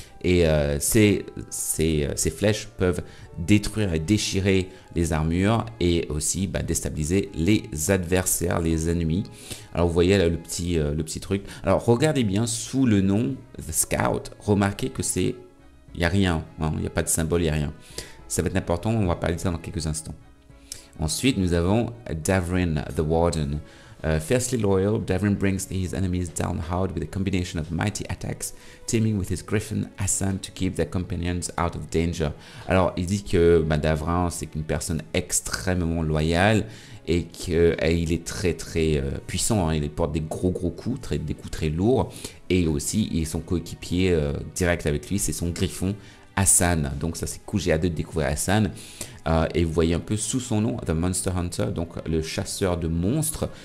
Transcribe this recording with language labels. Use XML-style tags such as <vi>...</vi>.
<fr>Et ces flèches peuvent détruire et déchirer les armures et aussi déstabiliser les adversaires, les ennemis. Alors vous voyez là le petit truc. Alors regardez bien sous le nom The Scout, remarquez que c'est... Il n'y a rien, il n'y a pas de symbole, il n'y a rien. Ça va être important, on va parler de ça dans quelques instants. Ensuite, nous avons Davrin, the Warden.</fr> <en>Fiercely loyal, Davrin brings his enemies down hard with a combination of mighty attacks, teaming with his griffin, Hassan, to keep their companions out of danger.</en> <fr>Alors, il dit que Davrin, c'est une personne extrêmement loyale et qu'il est très, très puissant. Hein. Il porte des gros coups, des coups très lourds. Et aussi, il est son coéquipier direct avec lui, c'est son griffon, Hassan. Donc ça, c'est cool, j'ai hâte de découvrir Hassan. Et vous voyez un peu sous son nom, The Monster Hunter, donc le chasseur de monstres.</fr>